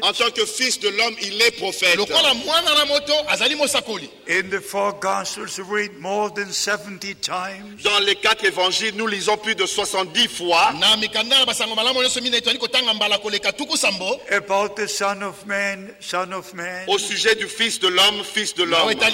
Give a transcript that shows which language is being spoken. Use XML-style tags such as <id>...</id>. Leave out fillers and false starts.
<fr>En tant que fils de l'homme, il est prophète.</fr> <en>In the four Gospels, we read more than 70 times.</en> <fr>Dans les quatre évangiles, nous lisons plus de 70 fois.</fr> <en>About the Son of Man, Son of Man.</en> <fr>Au sujet du Fils de l'homme, Fils de l'homme.</fr>